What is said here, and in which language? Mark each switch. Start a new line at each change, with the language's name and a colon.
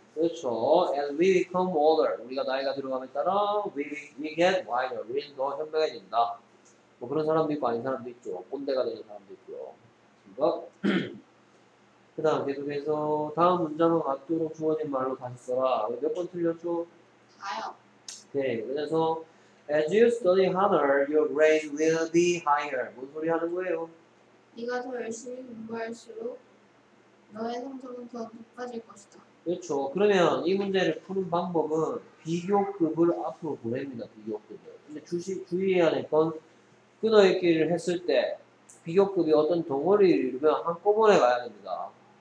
Korean: 그렇죠.
English: As we become older,
Korean: 우리가 나이가 들어감에 따라
English: we get wider,
Korean: 우리는 더 현명해진다. 뭐 그런 사람도 있고 아닌 사람도 있죠. 꼰대가 되는 사람도 있고요. 그 다음 계속해서 다음 문장은 갖도록 주어진 말로 다시 써라. 몇 번 틀렸죠? 4요. 네, 그래서
English: As you study harder, your grade will be higher.
Korean: 뭔 소리 하는 거예요? 네가 더 열심히 공부할수록 너의 성적은 더 높아질 것이다. 그렇죠. 그러면 이 문제를 푸는 방법은 비교급을 앞으로 보냅니다. 비교급을. 근데 주의해야 될 건 끊어읽기를 했을 때 비교급이 어떤 덩어리를 이루면 한꺼번에 가야 됩니다.